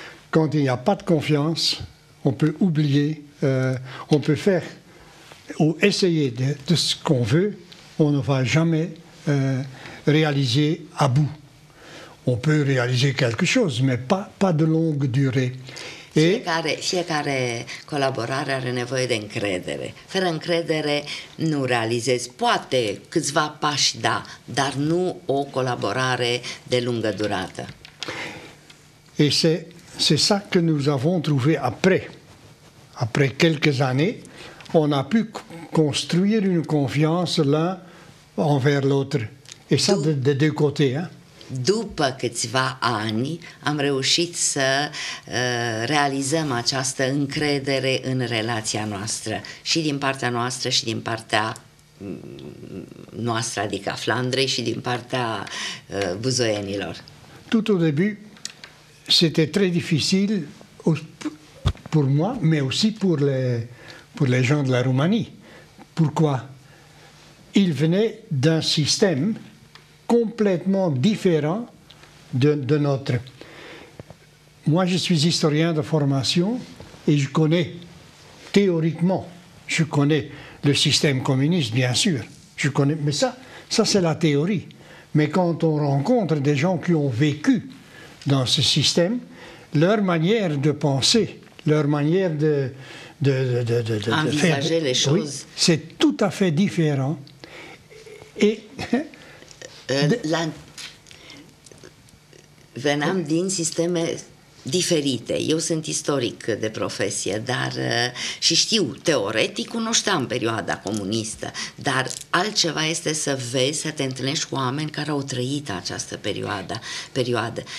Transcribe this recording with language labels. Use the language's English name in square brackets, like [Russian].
[French] Quand il n'y a pas de confiance, on peut oublier, on peut faire ou essayer de ce qu'on veut, on ne va jamais réaliser à bout. On peut réaliser quelque chose, mais pas de longue durée. [Romanian] Et fiecare colaborare are nevoie de încredere. Fără încredere nu realizezi. Poate câțiva pași, da, dar nu o colaborare de lungă durată. [French] Et c'est ça que nous avons trouvé après. Après quelques années, on a pu construire une confiance l'un envers l'autre. Et ça de deux côtés, hein. [Romanian] După câțiva ani am reușit să realizăm această încredere în relația noastră și din partea noastră și din partea noastră, adică a Flandrei și din partea buzoienilor. [French] Tout au début, c'était très difficile pour moi, mais aussi pour les gens de la Roumanie. Pourquoi? Ils venaient d'un système complètement différent de notre. Moi, je suis historien de formation et je connais, théoriquement, je connais le système communiste, bien sûr. Je connais, mais ça, c'est la théorie. Mais quand on rencontre des gens qui ont vécu dans ce système, leur manière de penser, leur manière de faire, envisager les choses, oui, c'est tout à fait différent. Et [Romanian] veneam din sisteme diferite. Eu sunt istoric de profesie, dar și știu, teoretic cunoșteam perioada comunistă, dar altceva este să vezi, să te întâlnești cu oameni care au trăit această perioadă.